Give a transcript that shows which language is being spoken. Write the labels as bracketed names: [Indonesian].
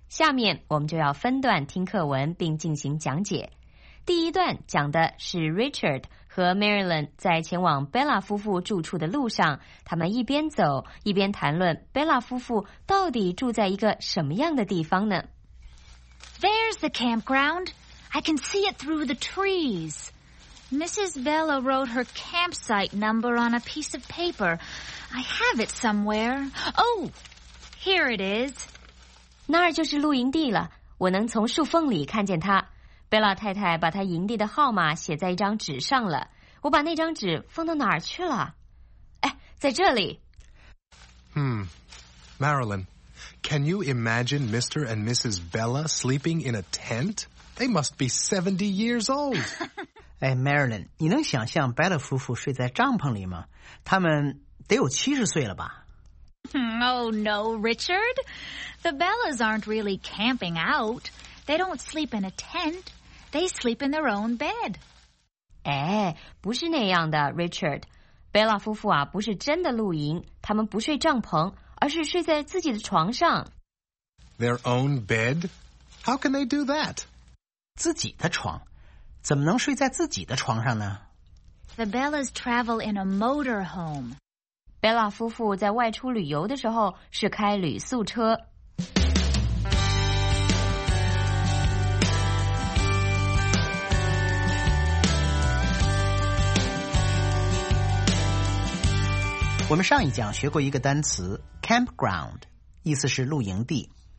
[Chinese] 下面我们就要分段听课文并进行讲解。第一段讲的是 Richard 和 Marilyn 在前往 Bella 夫妇住处的路上，他们一边走一边谈论 Bella 夫妇到底住在一个什么样的地方呢？ [English] There's the campground. I can see it through the trees. Mrs. Bella wrote her campsite number on a piece of paper. I have it somewhere. Oh, here it is. [Chinese] 那儿就是露营地了，我能从树缝里看见它。贝拉太太把她营地的号码写在一张纸上了，我把那张纸放到哪儿去了？哎，在这里。 [English] Marilyn, can you imagine Mr. and Mrs. Bella sleeping in a tent? They must be 70 years old. [Chinese] 哎 ，Marilyn， 你能想象贝拉夫妇睡在帐篷里吗？他们得有70岁了吧？ [English] Oh, no, Richard. The Bellas aren't really camping out. They don't sleep in a tent. They sleep in their own bed. [Chinese] 哎，不是那样的 ,Richard. 贝拉夫妇啊，不是真的露营，他们不睡帐篷，而是睡在自己的床上。 [English] Their own bed? How can they do that? [Chinese] 自己的床？怎么能睡在自己的床上呢？ [English] The Bellas travel in a motor home. [Chinese] 贝拉夫妇在外出旅游的时候是开旅宿车。我们上一讲学过一个单词 campground， 意思是露营地。